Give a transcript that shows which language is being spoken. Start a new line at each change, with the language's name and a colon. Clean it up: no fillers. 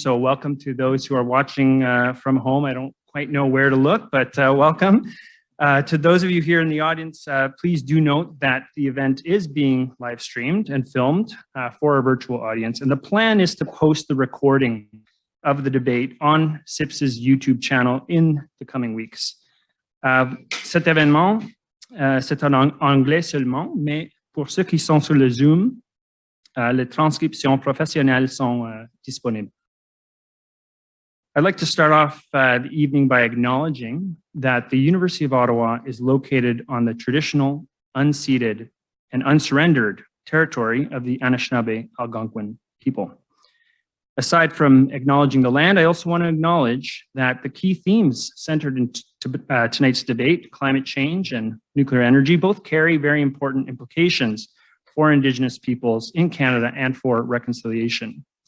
English: So welcome to those who are watching from home. I don't quite know where to look, but welcome. To those of you here in the audience, please do note that the event is being live streamed and filmed for a virtual audience. And the plan is to post the recording of the debate on CIPS's YouTube channel in the coming weeks.
French: Cet événement, c'est en anglais seulement, mais pour ceux qui sont sur le Zoom, les transcriptions professionnelles sont disponibles.
English: I'd like to start off the evening by acknowledging that the University of Ottawa is located on the traditional, unceded, and unsurrendered territory of the Anishinaabe Algonquin people. Aside from acknowledging the land, I also want to acknowledge that the key themes centered in tonight's debate, climate change and nuclear energy, both carry very important implications for Indigenous peoples in Canada and for reconciliation.